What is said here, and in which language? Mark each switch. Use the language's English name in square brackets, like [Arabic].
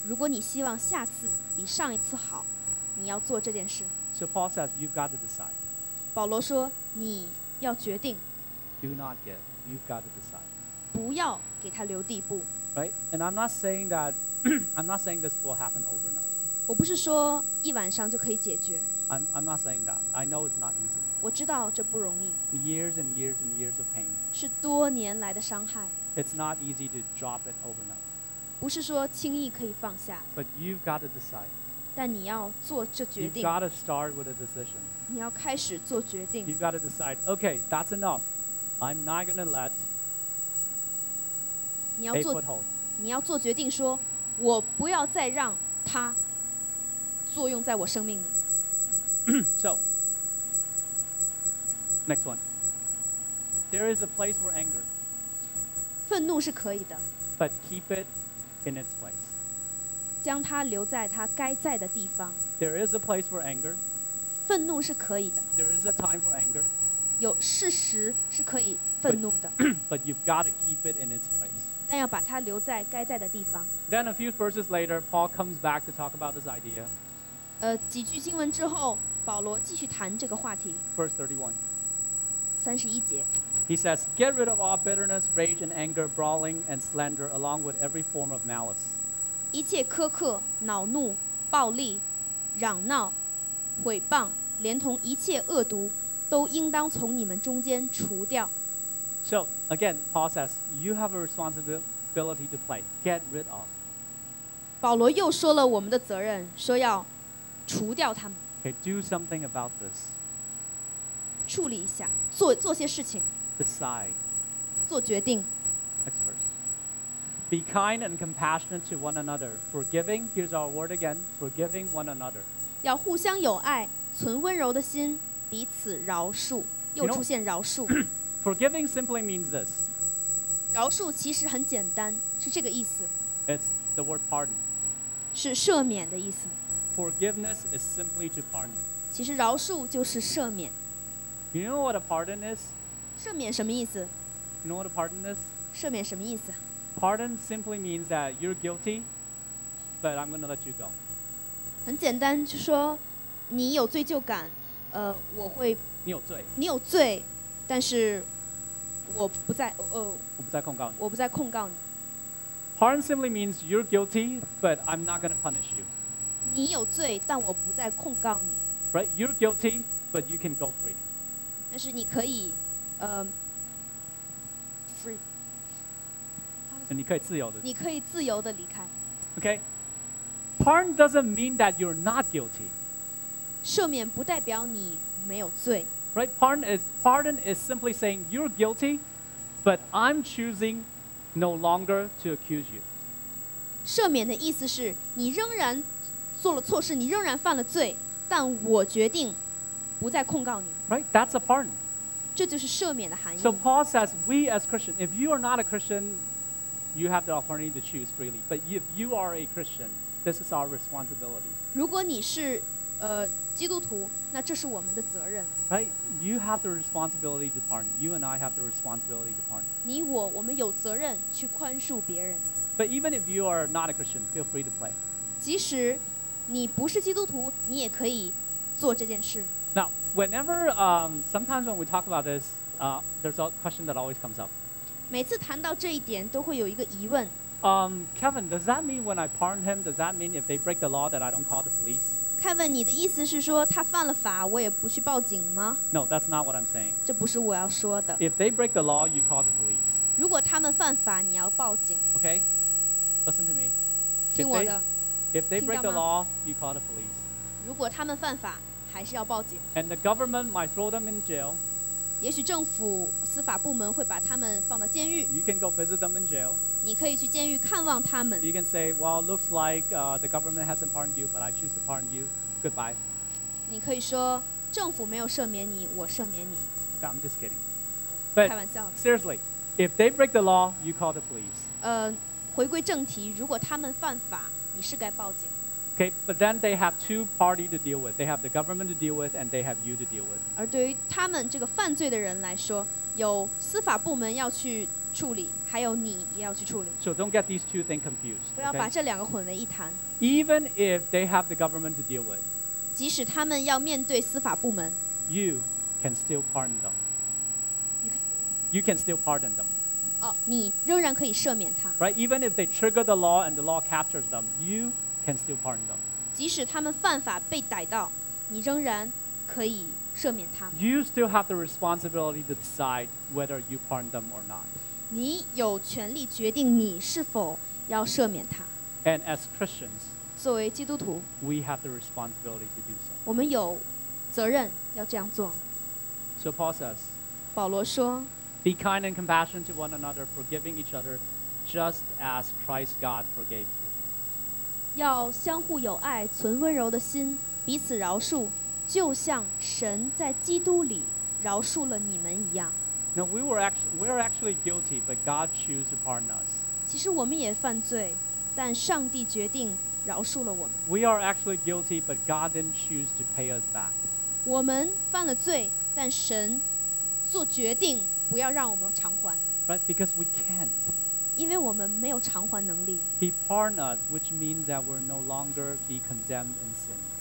[Chinese] 如果你希望下次比上一次好，你要做这件事。 [English] So Paul says, you've got to decide. [Chinese] 保罗说，你要决定。 [English] Do not give. You've got to decide. [Chinese] 不要给他留地步。 [English] Right? And I'm not saying that. I'm not saying this will happen overnight. [Chinese] 我不是说一晚上就可以解决。 [English] I'm not saying that. I know it's not easy. [Chinese] 我知道这不容易。 [English] The years and years and years of pain. [Chinese] 是多年来的伤害。 [English] It's not easy to drop it overnight. [Chinese] 不是说轻易可以放下。 [English] But you've got to decide. [Chinese] 但你要做这决定。 [English] You've got to start with a decision. [Chinese] 你要开始做决定。 [English] You've got to decide. Okay, that's enough. I'm not going to let. [Chinese] 你要做 [English] a foothold. [Chinese] 你要做决定说，我不要再让它作用在我生命里。 [English] So, next one. There is a place for anger. [Chinese] 愤怒是可以的。 [English] But keep it in its place. [Chinese] 将它留在它该在的地方。 [English] There is a place for anger. [Chinese] 愤怒是可以的。 [English] There is a time for anger. [Chinese] 有事实是可以愤怒的。 [English] But you've got to keep it in its place. [Chinese] 但要把它留在该在的地方。 [English] Then a few verses later, Paul comes back to talk about this idea. [Chinese] 几句经文之后，保罗继续谈这个话题。 [English] Verse 31. [Chinese] 31节。 [English] He says, "Get rid of all bitterness, rage, and anger, brawling, and slander, along with every form of malice." [Chinese] 一切苛刻、恼怒、暴力、嚷闹、毁谤，连同一切恶毒，都应当从你们中间除掉。 [English] So again, Paul says, "You have a responsibility to play. Get rid of." [Chinese] 保罗又说了我们的责任，说要。除掉他们。 [English] Okay, do something about this. [Chinese] 处理一下，做些事情。 [English] Decide. [Chinese] 做决定。 [English] Next verse. Be kind and compassionate to one another, forgiving. Here's our word again. Forgiving one another. [Chinese] 要互相有爱，存温柔的心，彼此饶恕。又出现饶恕。 [English] You know, forgiving simply means this. [Chinese] 饶恕其实很简单，是这个意思。 [English] It's the word pardon. [Chinese] 是赦免的意思。 [English] Forgiveness is simply to pardon. [Chinese] 其实饶恕就是赦免。 [English] You know what a pardon is? [Chinese] 赦免什么意思？ [English] You know what a pardon is? [Chinese] 赦免什么意思？ [English] Pardon simply means that you're guilty, but I'm going to let you go. [Chinese] 很简单，就说你有罪疚感，我会。你有罪。你有罪，但是我不再我不再控告你。我不再控告你。 [English] Pardon simply means you're guilty, but I'm not going to punish you. [Chinese] 你有罪，但我不再控告你。 [English] Right, you're guilty, but you can go free. [Chinese] 但是你可以， [English] free. [Chinese] 你可以自由的。你可以自由的离开。 [English] Okay, pardon doesn't mean that you're not guilty. [Chinese] 赦免不代表你没有罪。 [English] Right, pardon is simply saying you're guilty, but I'm choosing no longer to accuse you. [Chinese] 赦免的意思是你仍然。做了错事，你仍然犯了罪，但我决定不再控告你。 [English] Right, that's a pardon. [Chinese] 这就是赦免的含义。 [English] So Paul says, we as Christians, if you are not a Christian, you have the opportunity to choose freely. But if you are a Christian, this is our responsibility. [Chinese] 如果你是基督徒，那这是我们的责任。 [English] Right, you have the responsibility to pardon. You and I have the responsibility to pardon. [Chinese] 你我，我们有责任去宽恕别人。 [English] But even if you are not a Christian, feel free to play. [Chinese] 即使你不是基督徒，你也可以做这件事。 [English] Now, whenever, sometimes when we talk about this, there's a question that always comes up. [Chinese] 每次谈到这一点，都会有一个疑问。 [English] Kevin, does that mean when I pardon him, does that mean if they break the law that I don't call the police? [Chinese] Kevin, 你的意思是说他犯了法，我也不去报警吗？ [English] No, that's not what I'm saying. [Chinese] 这不是我要说的。 [English] If they break the law, you call the police. [Chinese] 如果他们犯法，你要报警。 [English] Okay, listen to me. [Chinese] 听我的。 [English] If they break the law, you call the police. [Chinese] 如果他们犯法，还是要报警。 [English] And the government might throw them in jail. [Chinese] 也许政府司法部门会把他们放到监狱。 [English] You can go visit them in jail. [Chinese] 你可以去监狱看望他们。 [English] You can say, "Well, it looks like the government hasn't pardoned you, but I choose to pardon you. Goodbye." [Chinese] 你可以说政府没有赦免你，我赦免你。 [English] Okay, I'm just kidding. But, [Chinese] 开玩笑。 [English] Seriously, if they break the law, you call the police. [Chinese] 回归正题，如果他们犯法。你是该报警。 [English] Okay, but then they have two parties to deal with. They have the government to deal with, and they have you to deal with. [Chinese] 而对于他们这个犯罪的人来说，有司法部门要去处理，还有你也要去处理。 [English] So don't get these two things confused. [Chinese] 不要把这两个混为一谈。 [English] Even if they have the government to deal with, [Chinese] 即使他们要面对司法部门， [English] you can still pardon them. You can still pardon them. [Chinese] 哦，你仍然可以赦免他。 [English] Right? Even if they trigger the law and the law captures them, you can still pardon them. [Chinese] 即使他们犯法被逮到，你仍然可以。 [English] You still have the responsibility to decide whether you pardon them or not. [Chinese] 你有权利决定你是否要赦免他。 [English] And as Christians, [Chinese] 作为基督徒， [English] we have the responsibility to do so. [Chinese] 我们有责任要这样做。 [English] So Paul says, [Chinese] 保罗说， [English] Be kind and compassionate to one another, forgiving each other, just as Christ God forgave you. [Chinese] 要相互有爱，存温柔的心，彼此饶恕。就像神在基督里饶恕了你们一样。 [English] Now we are actually guilty, but God chose to pardon us. [Chinese] 其实我们也犯罪，但上帝决定饶恕了我们。 [English] We are actually guilty, but God didn't choose to pay us back. [Chinese] 我们犯了罪，但神做决定不要让我们偿还。 [English] But because we can't. [Chinese] 因为我们没有偿还能力。 [English] He pardoned us, which means that we're no longer be condemned in sin.